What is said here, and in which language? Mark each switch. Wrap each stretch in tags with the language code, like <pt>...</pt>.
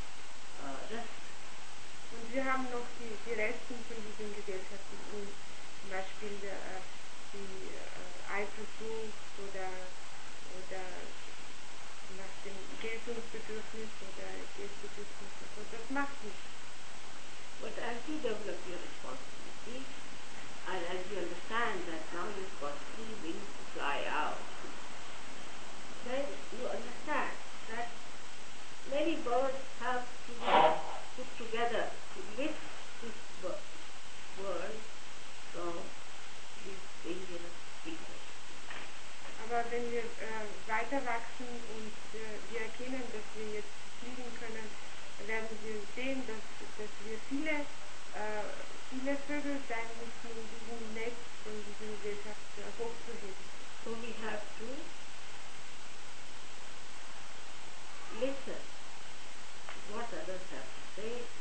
<de>Und wir haben noch die Resten von diesen Gesellschaften, zum Beispiel die Eifersucht oder nach dem Geltungsbedürfnis oder Geltungsbedürfnis. Und das macht nichts.</de> <en>But as you develop your responsibility, and as you understand that now you've got three wings to fly out, then you understand that many birds have to be put together to lift this world from this dangerous situation.</en> <de>Aber wenn wir weiter wachsen und wir erkennen, dass wir jetzt fliegen können, werden wir sehen, dass wir viele Vögel sein müssen, um diesen Netz von dieser Gesellschaft hochzuheben.</de> <en>So we have to listen what others have to say.</en>